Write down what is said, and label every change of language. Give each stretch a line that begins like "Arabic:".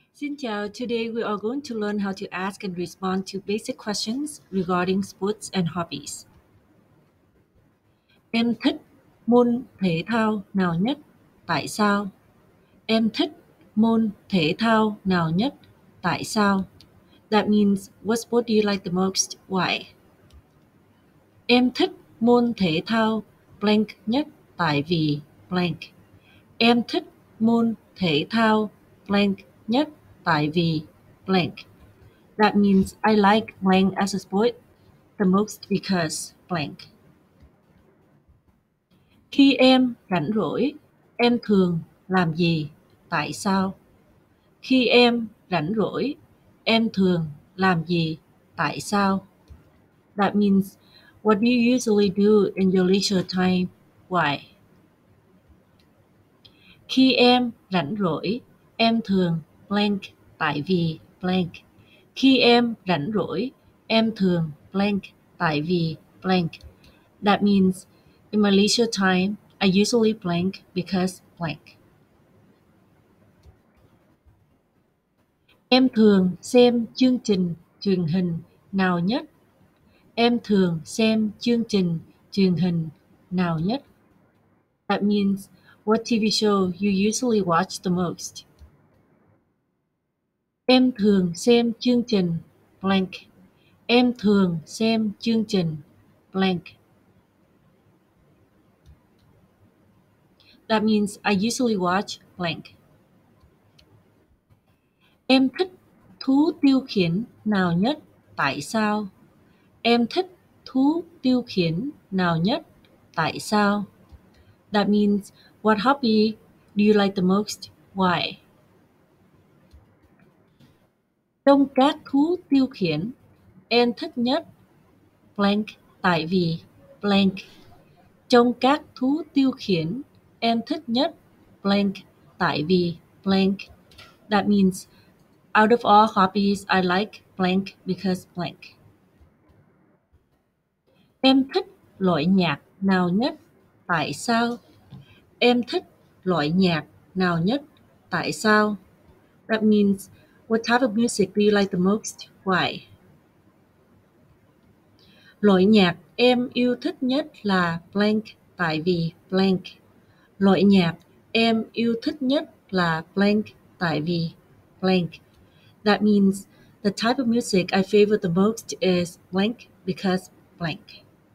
Vietnamese: Xin chào,
English: today we are going to learn how to ask and respond to basic questions regarding sports and hobbies.
Vietnamese: Em thích môn thể thao nào nhất? Tại sao? Em thích môn thể thao nào nhất? Tại sao?
English: That means, what sport do you like the most? Why?
Vietnamese: Em thích môn thể thao blank nhất? Tại vì blank. Em thích môn thể thao blank nhất? Tại vì blank.
English: That means I like blank as a sport the most because blank.
Vietnamese: Khi em rảnh rỗi, em thường làm gì? Tại sao? Khi em rảnh rỗi, em thường làm gì? Tại sao?
English: That means what do you usually do in your leisure time? Why?
Vietnamese: Khi em rảnh rỗi, em thường blank. Tại vì blank. Khi em rảnh rỗi, em thường blank. Tại vì blank.
English: That means, in my leisure time, I usually blank because blank.
Vietnamese: Em thường xem chương trình truyền hình nào nhất? Em thường xem chương trình truyền hình nào nhất?
English: That means, what TV show you usually watch the most?
Vietnamese: Em thường xem chương trình blank. Em thường xem chương trình blank.
English: That means I usually watch blank.
Vietnamese: Em thích thú tiêu khiển nào nhất? Tại sao? Em thích thú tiêu khiển nào nhất? Tại sao?
English: That means what hobby do you like the most? Why?
Vietnamese: Trong các thú tiêu khiển, em thích nhất blank tại vì blank. Trong các thú tiêu khiển, em thích nhất blank tại vì blank.
English: That means, out of all hobbies, I like blank because blank.
Vietnamese: Em thích loại nhạc nào nhất? Tại sao? Em thích loại nhạc nào nhất? Tại sao?
English: That means, what type of music do you like the most? Why?
Vietnamese: Loại nhạc em yêu thích nhất là blank tại vì blank. Loại nhạc em yêu thích nhất là blank tại vì blank.
English: That means the type of music I favor the most is blank because blank.